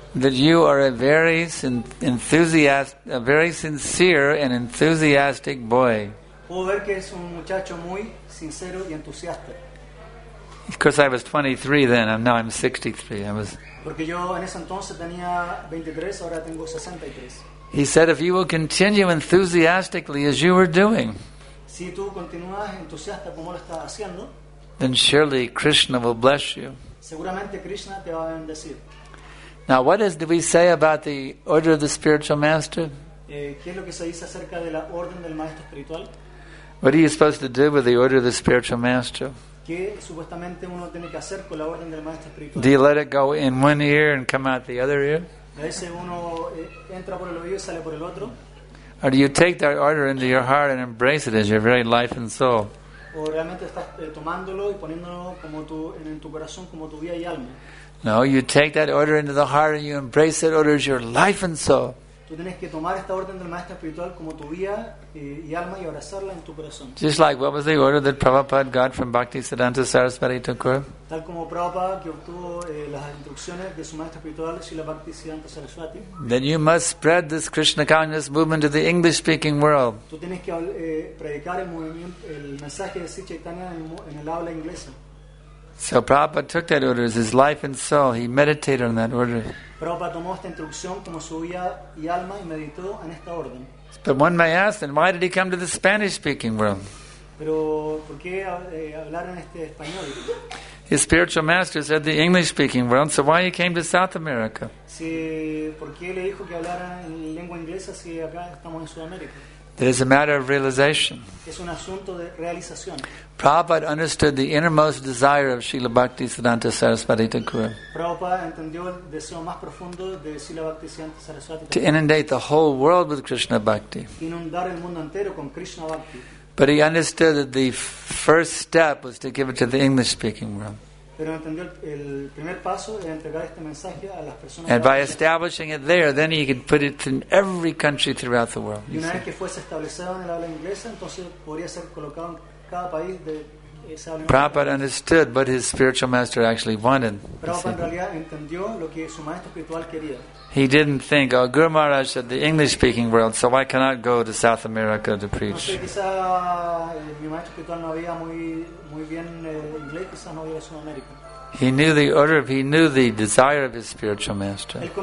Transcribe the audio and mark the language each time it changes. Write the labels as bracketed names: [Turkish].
[English] That you are a very enthusiastic, a very sincere and enthusiastic boy. [Spanish] ¿Puedo ver que es un muchacho muy sincero y entusiasta? [English] Of course, I was 23 then. Now I'm 63. I was. [Spanish] Porque yo en ese entonces tenía 23, ahora tengo 63. [English] He said, if you will continue enthusiastically as you were doing, [Spanish] si tú continúas entusiasta como lo estás haciendo, [English] then surely Krishna will bless you. [Spanish] Seguramente Krishna te va a bendecir. [English] Now, what do we say about the order of the spiritual master? [Spanish] ¿Qué es lo que se dice acerca de la orden del maestro espiritual? [English] What are you supposed to do with the order of the spiritual master? [Spanish] ¿Qué supuestamente uno tiene que hacer con la orden del maestro espiritual? [English] Do you let it go in one ear and come out the other ear? [Spanish] A veces uno entra por el oído y sale por el otro. [English] Or do you take that order into your heart and embrace it as your very life and soul? [Spanish] ¿O realmente estás tomándolo y poniéndolo como tu, en tu corazón, como tu vida y alma? [English] No, you take that order into the heart and you embrace that order as your life and soul. [Spanish] Tú tienes que tomar esta orden del maestro espiritual como tu vida y alma y abrazarla en tu corazón. [English] Just like what was the order that Prabhupada got from Bhaktisiddhanta Sarasvati Thakur? [Spanish] Tal como Prabhupada que obtuvo las instrucciones de su maestro espiritual Srila Bhaktisiddhanta Sarasvati. [English] Then you must spread this Krishna consciousness movement to the English speaking world. [Spanish] Tú tienes que predicar el movimiento, el mensaje de Sri Chaitanya en el habla inglesa. [English] So Prabhupada took that order as his life and soul. He meditated on that order. [Spanish] Prabhupada tomó esta instrucción como su vida y alma y meditó en esta orden. [English] But one may ask, then why did he come to the Spanish-speaking world? [Spanish] Pero ¿por qué hablar en este español? [English] His spiritual master said the English-speaking world. So why he came to South America? [Spanish] Si, ¿por qué le dijo que hablara en lengua inglesa si acá estamos en Sudamérica? [English] It is a matter of realization. [Spanish] Es un asunto de realización. [English] Prabhupada understood the innermost desire of Srila Bhaktisiddhanta Sarasvati Thakura. [Spanish] Prabhupada entendió el deseo más profundo de Srila Bhaktisiddhanta Sarasvati [English] Thakura. To inundate the whole world with Krishna Bhakti. [Spanish] Inundar el mundo entero con Krishna Bhakti. [English] But he understood that the first step was to give it to the English-speaking world. [Spanish] Pero entendió el primer paso es entregar este mensaje a las personas. [English] And by establishing it there, then he could put it in every country throughout the world. [Spanish] Y una vez que fuese establecido en el habla inglesa, entonces podría ser colocado en cada país de esa habla. [English] Prabhupada understood what his spiritual master actually wanted. [Spanish] Prabhupada en realidad entendió lo que su maestro espiritual quería. [English] He didn't think, oh, Guru Maharaj said the English-speaking world, so I cannot go to South America to preach. He knew the order, he knew the desire of his spiritual master.